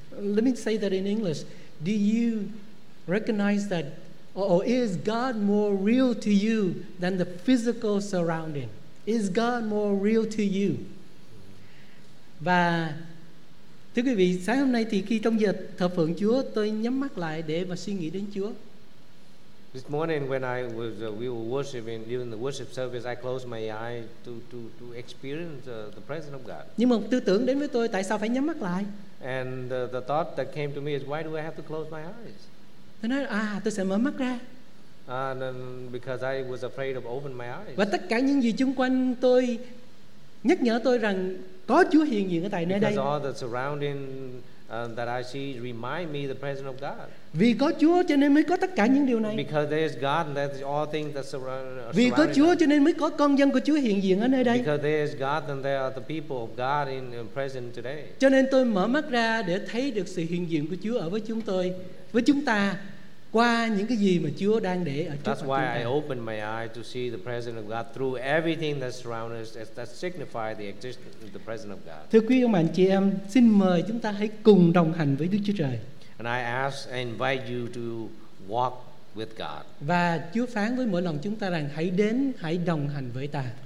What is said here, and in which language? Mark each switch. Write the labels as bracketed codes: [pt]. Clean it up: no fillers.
[en] Let me say that in English. Do you recognize that or is God more real to you than the physical surrounding? Is God more real to you? [vi] Và thưa quý vị, sáng hôm nay thì khi trong giờ thờ phượng Chúa, tôi nhắm mắt lại để mà suy nghĩ đến Chúa. [en] This morning when I was we were worshiping during the worship service, I closed my eyes to experience the presence of God. [vi] Nhưng mà tư tưởng đến với tôi, tại sao phải nhắm mắt lại? [en] And the thought that came to me is, why do I have to close my eyes? [vi] Tôi nói, tôi sẽ mở mắt ra. [en] And because I was afraid of open my eyes. [vi] Và tất cả những gì xung quanh tôi nhắc nhở tôi rằng có Chúa hiện diện ở tại nơi đây. [en] Because all the surrounding that I see remind me the presence of God. [vi] Vì có Chúa cho nên mới có tất cả những điều này. [en] Because there is God, that is all things that surround. [vi] Vì có Chúa cho nên mới có con dân của Chúa hiện diện ở nơi đây. [en] Because there is God, and there are the people of God in present today. [vi] Cho nên tôi mở mắt ra để thấy được sự hiện diện của Chúa ở với chúng tôi, với chúng ta qua những cái gì mà Chúa đang để ở trước mặt chúng ta. [en] That's why I open my eyes to see the presence of God through everything that surrounds us, that signify the existence, the presence of God. [vi] Thưa quý ông bà anh chị em, xin mời chúng ta hãy cùng đồng hành với Đức Chúa Trời. [en] And I ask and invite you to walk with God. [vi] Và Chúa phán với mỗi lòng chúng ta rằng hãy đến, hãy đồng hành với ta.